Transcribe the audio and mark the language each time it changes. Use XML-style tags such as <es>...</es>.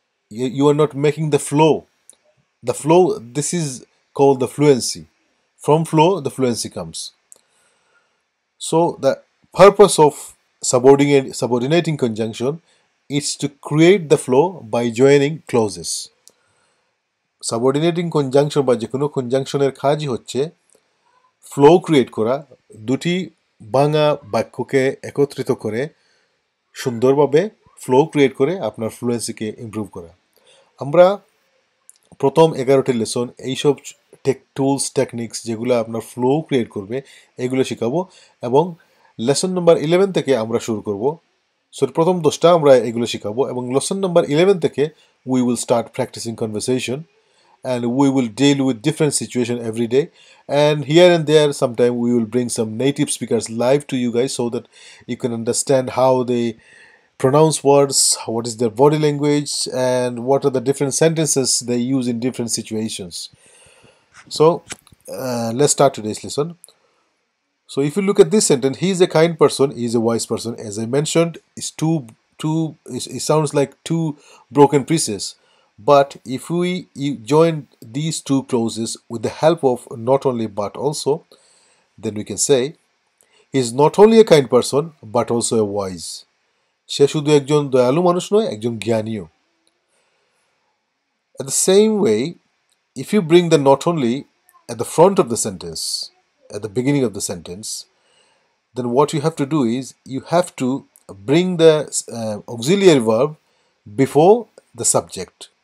<en>You are not making the flow. The flow, this is called the fluency. From flow, the fluency comes. So the purpose of subordinating conjunction is to create the flow by joining clauses.</en> <bn>Subordinating conjunction বা যেকোনো conjunctionের কাজই হচ্ছে flow create করা, দুটি ভাঙা বাক্যকে একত্রিত করে সুন্দরভাবে ফ্লো ক্রিয়েট করে আপনার ফ্লুয়েন্সিকে ইম্প্রুভ করা। আমরা প্রথম 11টি লেসন এইসব টুলস টেকনিক্স যেগুলো আপনার ফ্লো ক্রিয়েট করবে এগুলো শেখাবো, এবং লেসন নম্বর 11 থেকে আমরা শুরু করব। সরি, প্রথম 10টা আমরা এগুলো শেখাবো, এবং লেসন নম্বর 11 থেকে</bn> <en>We will start practicing conversation and we will deal with different situation every day and here and there sometime we will bring some native speakers live to you guys so that you can understand how they pronounce words, what is their body language, and what are the different sentences they use in different situations. So, let's start today's lesson. So, if you look at this sentence, he is a kind person, he is a wise person. As I mentioned, it sounds like two broken pieces. But if we join these two clauses with the help of not only but also, then we can say, he is not only a kind person, but also a wise person.</en> <bn>সে শুধু একজন দয়ালু মানুষ নয়, একজন জ্ঞানীও।</bn> <en>At the same way if you bring the not only at the front of the sentence at the beginning of the sentence then what you have to do is you have to bring the auxiliary verb before the subject.</en>